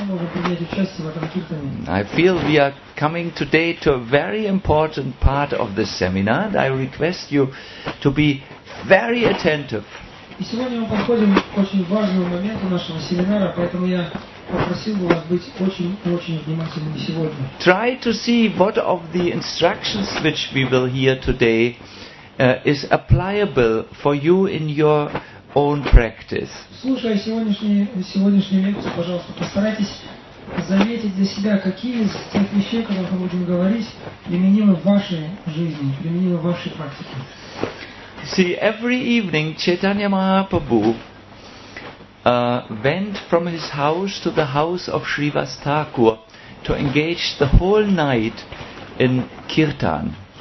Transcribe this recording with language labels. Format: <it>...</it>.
<en>I feel we are coming today to a very important part of this seminar, and I request you to be very attentive.</en> <ru>И сегодня мы подходим к очень важному моменту нашего семинара, поэтому я попросил бы вас быть очень-очень внимательными сегодня.</ru> <en>Try to see what of the instructions which we will hear today is applicable for you in your own practice.</en> <ru>Слушая сегодняшнюю лекцию, пожалуйста, постарайтесь заметить для себя, какие из тех вещей, о которых мы будем говорить, применимы в вашей жизни, применимы в вашей практике.</ru> <en>See, every evening Chaitanya Mahaprabhu went from his house to the house of Srivas Thakur to engage the whole night in kirtan.</en>